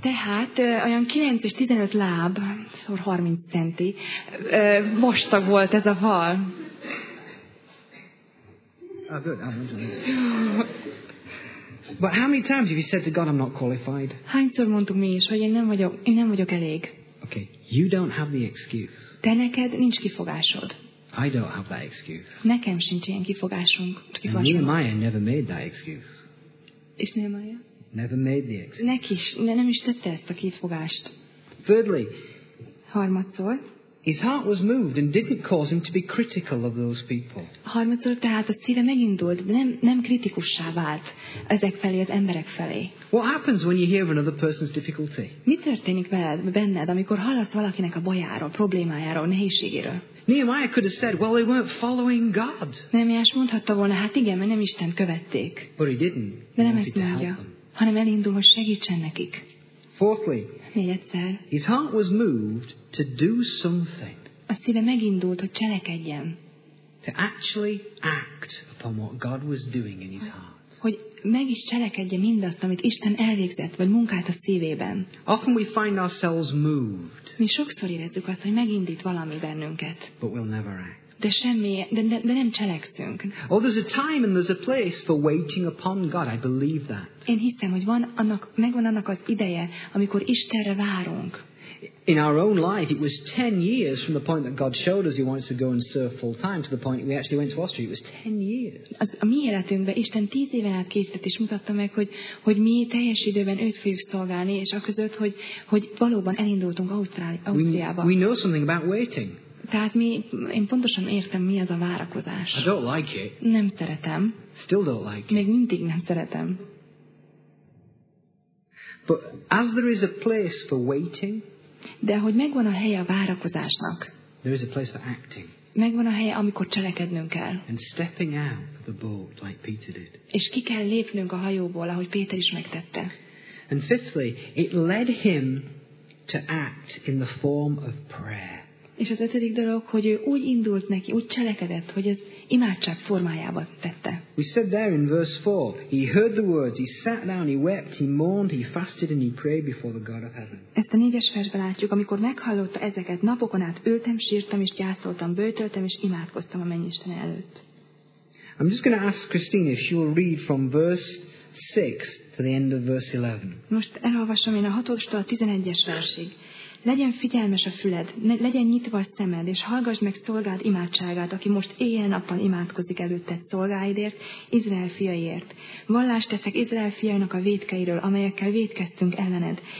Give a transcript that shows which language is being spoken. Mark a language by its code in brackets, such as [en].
[hu] Tehát olyan 9 és 15 láb, szor 30 centi, vastag volt ez a fal. [en] Oh, good. I'm wondering. But how many times have you said to God, "I'm not qualified"? [hu] Hányszor mondtuk mi is, hogy én nem vagyok elég. [en] Okay, you don't have the excuse. [hu] De neked nincs kifogásod. [en] I don't have that excuse. [hu] Nekem sincs ilyen kifogásunk. [en] And Nehemiah never made that excuse. [hu] És Nehemiah? [en] Never made the excuse. [hu] Nem is tette ezt a kifogást. [en] Thirdly. [hu] Harmadszor. [en] His heart was moved and didn't cause him to be critical of those people. [hu] Harmadszor, tehát a szíve megindult, de nem kritikussá vált ezek felé, az emberek felé. [en] What happens when you hear of another person's difficulty? [hu] Mi történik veled, benned, amikor hallasz valakinek a bajáról, problémájáról, nehézségéről? [en] Nehemiah could have said, "Well, they weren't following God." [hu] Nehemiah mondhatta volna, hát igen, mert nem Istent követték. [en] But he didn't. [hu] De nem ezt mondja, hanem elindul, hogy segítsen nekik. [en] Fourthly, [hu] négyedszer, [en] his heart was moved to do something. [hu] A szíve megindult, hogy cselekedjen. [en] To actually act upon what God was doing in his heart. [hu] Hogy meg is cselekedje mindazt, amit Isten elvégzett, vagy munkált a szívében. [en] Often we find ourselves moved. [hu] Mi sokszor érezzük azt, hogy megindít valami bennünket. [en] But we'll never act. [hu] De nem cselekszünk. [en] Oh, there's a time and there's a place for waiting upon God. I believe that. [hu] Én hiszem, hogy megvan annak az ideje, amikor Istenre várunk. [en] In our own life, it was 10 years from the point that God showed us He wants to go and serve full time to the point we actually went to Austria. It was 10 years. [hu] A mi életünkben Isten 10 éven át készített és mutatta meg, hogy mi teljes időben őt fogjuk szolgálni, és aközött, hogy valóban elindultunk Ausztriába. [en] We know something about waiting. [hu] Tehát mi, én pontosan értem, mi az a várakozás. [en] I don't like it. [hu] Nem szeretem. [en] Still don't like it. [hu] Még mindig nem szeretem. [en] But as there is a place for waiting, [hu] de hogy megvan a helye a várakozásnak, [en] there is a place for acting. [hu] Megvan a helye, amikor cselekednünk kell. [en] And stepping out of the boat like Peter did. [hu] És ki kell lépnünk a hajóból, ahogy Péter is megtette. [en] And fifthly, it led him to act in the form of prayer. [hu] És az ötödik dolog, hogy ő úgy indult neki, úgy cselekedett, hogy ez imádság formájában tette. [en] We said there in verse 4, he heard the words, he sat down, he wept, he mourned, he fasted and he prayed before the God of heaven. [hu] Ezt a négyes versben látjuk, amikor meghallotta ezeket, napokon át ültem, sírtam és gyászoltam, böjtöltem és imádkoztam a mennyisten előtt. [en] I'm just going to ask Christine if she will read from verse 6 to the end of verse 11. [hu] Most elolvasom én a 6-tól a 11-es versig. Legyen figyelmes a füled, legyen nyitva a szemed, és hallgass meg szolgád imádságát, aki most éjjel-nappal imádkozik előtted szolgáidért, Izrael fiaiért. Vallást teszek Izrael fiainak a vétkeiről, amelyekkel vétkeztünk ellened.